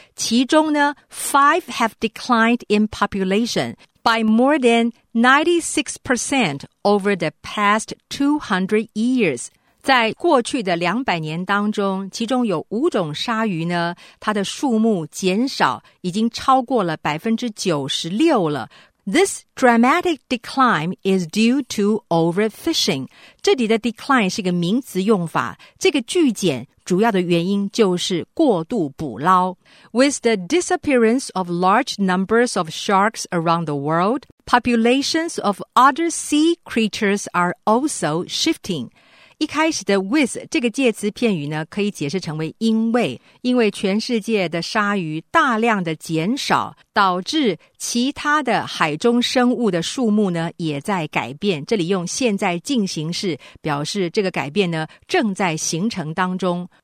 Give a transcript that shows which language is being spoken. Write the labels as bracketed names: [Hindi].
[Chinese] 其中呢 [English] ,5 have declined in population by more than 96% over the past 200 years. [Chinese] 在过去的200年当中，其中有五种鲨鱼呢，它的数目减少已经超过了 96% 了。 [English] This dramatic decline is due to overfishing. [Chinese] 这里的 decline 是个名词用法，这个剧减主要的原因就是过度捕捞。 [English] With the disappearance of large numbers of sharks around the world, populations of other sea creatures are also shifting. [Chinese] 一开始的 with 这个介词片语呢，可以解释成为因为全世界的鲨鱼大量的减少，导致其他的海中生物的数目呢也在改变。这里用现在进行式表示这个改变呢正在形成当中。